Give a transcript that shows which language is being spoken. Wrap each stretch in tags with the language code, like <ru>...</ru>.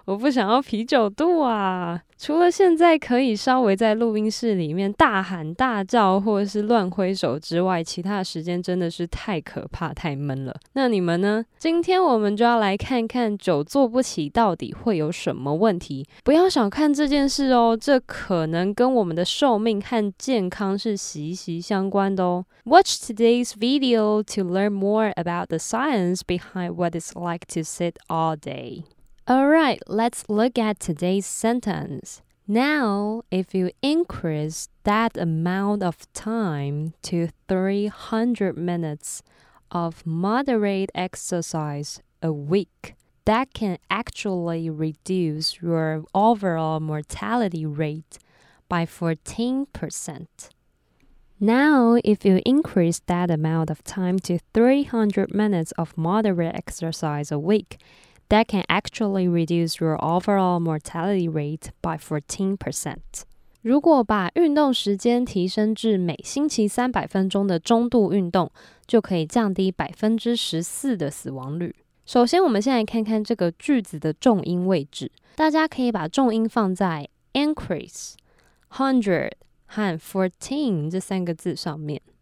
<zh>我不想要啤酒肚啊！除了现在可以稍微在录音室里面大喊大叫或是乱挥手之外，其他的时间真的是太可怕、太闷了。那你们呢？今天我们就要来看看久坐不起到底会有什么问题。不要小看这件事哦，这可能跟我们的寿命和健康是息息相关的哦。</zh> <en>Watch today's video to learn more about the science behind what it's like to sit all day. Alright, let's look at today's sentence. Now, if you increase that amount of time to 300 minutes of moderate exercise a week, that can actually reduce your overall mortality rate by 14%. Now, if you increase that amount of time to 300 minutes of moderate exercise a week,That can actually reduce your overall mortality rate by 14%.</en> <zh>如果把运动时间提升至每星期300分钟的中度运动，就可以降低 14% 的死亡率。首先，我们先来看看这个句子的重音位置。大家可以把重音放在 increase, 100 和 14 这三个字上面。</zh>